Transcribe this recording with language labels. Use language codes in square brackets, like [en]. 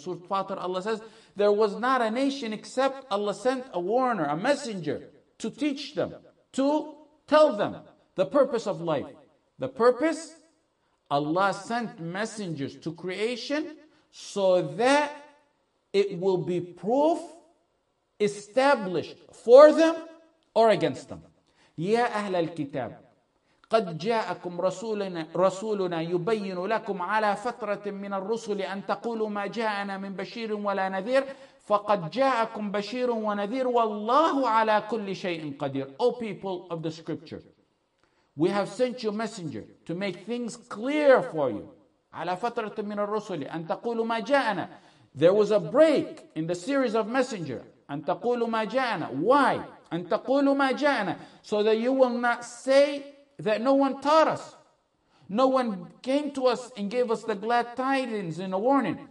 [en] Surah Fatir, Allah says, there was not a nation except Allah sent a warner, a messenger, to teach them, to tell them the purpose of life. The purpose? Allah sent messengers to creation so that it will be proof established for them or against them. [ar] يَا أَهْلَ الْكِتَابِ قَدْ جَاءَكُمْ رَسُولُنَا يُبَيِّنُ لَكُمْ عَلَىٰ فَتْرَةٍ مِّنَ الرُّسُلِ أَنْ تَقُولُوا مَا جَاءَنَا مِنْ بَشِيرٌ وَلَا نَذِيرٌ فَقَدْ جَاءَكُمْ بَشِيرٌ وَنَذِيرٌ وَاللَّهُ عَلَىٰ كُلِّ شَيْءٍ قَدِيرٌ. [en] O people of the scripture, we have sent you a messenger to make things clear for you. [ar] عَلَىٰ فَتْرَةٍ مِّنَ الرُّسُلِ أَنْ تَقُولُوا مَا جَاءَنَا. [en] There was a break in the series of messenger. [ar] أَنْ تَقُولُوا مَا جَاءَنَا. Why? أَنْ تَقُولُوا مَا جَاءَنَا. [en] So that you will not say that no one taught us, no one came to us and gave us the glad tidings and a warning.